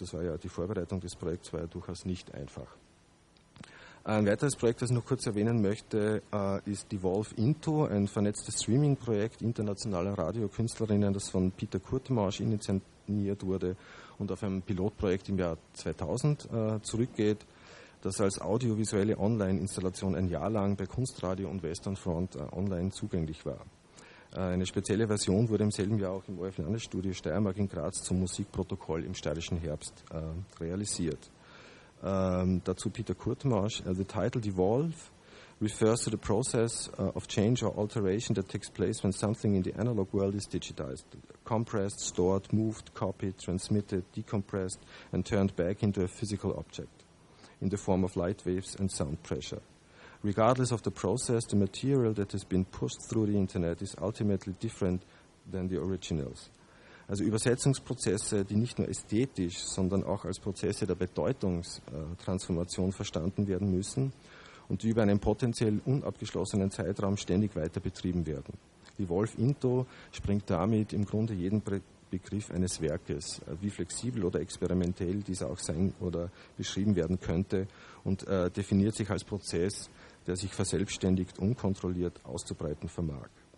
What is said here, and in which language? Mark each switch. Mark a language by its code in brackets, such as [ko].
[de] Das war ja die Vorbereitung des Projekts, war ja durchaus nicht einfach. Ein weiteres Projekt, das ich noch kurz erwähnen möchte, ist Devolve Into, ein vernetztes Streaming-Projekt internationaler Radiokünstlerinnen, das von Peter Kurtemarsch initiiert wurde und auf einem Pilotprojekt im Jahr 2000 zurückgeht, das als audiovisuelle Online-Installation ein Jahr lang bei Kunstradio und Western Front online zugänglich war. Eine spezielle Version wurde im selben Jahr auch im ORF-Landesstudio Steiermark in Graz zum Musikprotokoll im steirischen Herbst realisiert. Dazu Peter Kurtmarsch. [en] The title Devolve refers to the process of change or alteration that takes place when something in the analog world is digitized, compressed, stored, moved, copied, transmitted, decompressed and turned back into a physical object in the form of light waves and sound pressure. Regardless of the process, the material that has been pushed through the internet is ultimately different than the originals. [de] Also Übersetzungsprozesse, die nicht nur ästhetisch, sondern auch als Prozesse der Bedeutungstransformation verstanden werden müssen und die über einen potenziell unabgeschlossenen Zeitraum ständig weiter betrieben werden. Die Wolf Into springt damit im Grunde jeden Begriff eines Werkes, wie flexibel oder experimentell dieser auch sein oder beschrieben werden könnte, und definiert sich als Prozess, der sich verselbstständigt, unkontrolliert auszubreiten vermag.